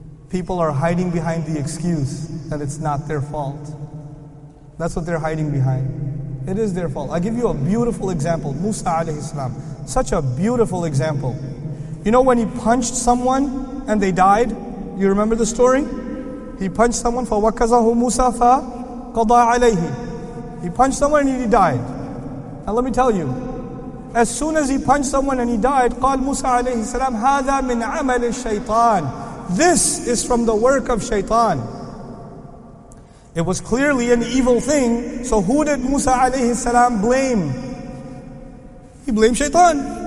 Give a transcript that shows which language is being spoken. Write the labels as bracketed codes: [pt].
[en] People are hiding behind the excuse that it's not their fault. That's what they're hiding behind. It is their fault. I give you a beautiful example. Musa alayhi salam. Such a beautiful example. You know when he punched someone and they died? You remember the story? He punched someone, [ar] فَوَكَّزَهُ مُوسَى فَقَضَى عَلَيْهِ. [en] He punched someone and he died. Now let me tell you. As soon as he punched someone and he died, قال Musa alayhi salam, [ar] هَذَا مِنْ عَمَلِ الشَّيْطَانِ. [en] This is from the work of shaitan. It was clearly an evil thing. So who did Musa alayhi salam blame? He blamed shaitan.